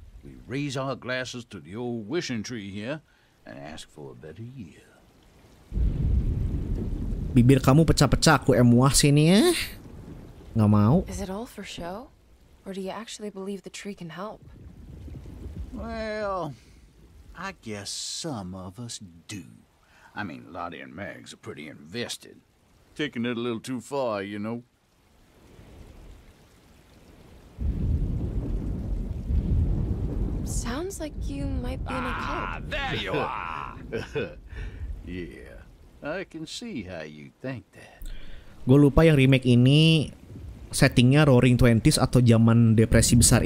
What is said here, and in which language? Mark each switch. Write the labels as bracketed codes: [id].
[en] We raise our glasses to the old wishing tree here and ask for a better year. [id] Bibir kamu pecah-pecah, aku emuah sini ya. Nggak mau. [en] Is it all for show? Or do you actually believe the tree can help? Well, I guess some of us do. I mean, Lottie and Mags are pretty invested. Taking it a little too far, you know. Sounds like you might be in a cult. Ah, there you are. Yeah, I can see how you think that. [id] Gue lupa yang remake ini settingnya Roaring Twenties atau zaman depresi besar.